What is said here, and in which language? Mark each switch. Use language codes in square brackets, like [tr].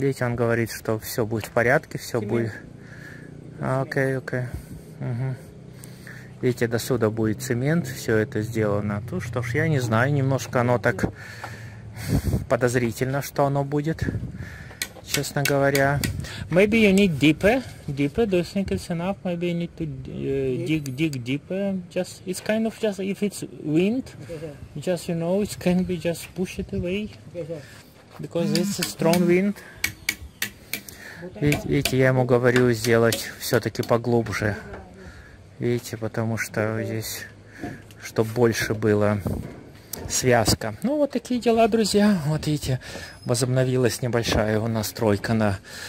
[ru] Видите, он говорит, что все будет в порядке, все будет... Окей. Угу. Видите, до сюда будет цемент, все это сделано. Ну что ж, я не знаю, немножко оно так подозрительно, что оно будет. Честно говоря, [en] maybe you need deeper. Do you think it's enough? Maybe you need to dig deeper. Just it's kind of just if it's wind, okay, just you know it can be just push it away, okay, because it's a strong wind. [ru] Видите, я ему говорю сделать все-таки поглубже. Видите, потому что здесь, чтобы больше было. Связка. Ну, вот такие дела, друзья. Вот видите, возобновилась небольшая его настройка на...